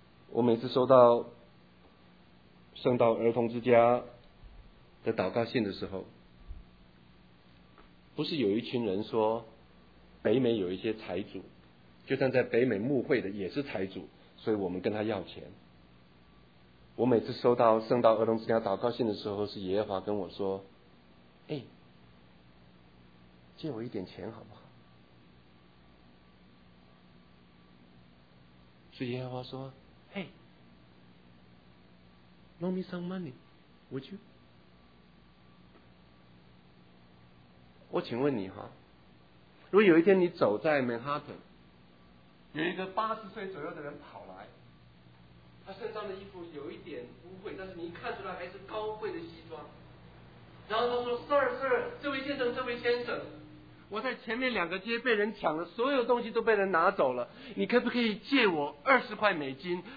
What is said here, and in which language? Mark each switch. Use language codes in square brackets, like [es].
[zh] 我每次收到圣道儿童之家的祷告信的时候，不是有一群人说北美有一些财主，就算在北美牧会的也是财主，所以我们跟他要钱。我每次收到圣道儿童之家祷告信的时候，是耶和华跟我说，哎，借我一点钱好不好？是耶和华说， [en] Hey, loan me some money, would you? [zh] 我请问你哈，如果有一天你走在曼哈顿，有一个八十岁左右的人跑来，他身上的衣服有一点污秽，但是你看出来还是高贵的西装，然后他说， [en] Sir, Sir, [zh] 这位先生，这位先生，我在前面两个街被人抢了，所有东西都被人拿走了，你可不可以借我20块美金？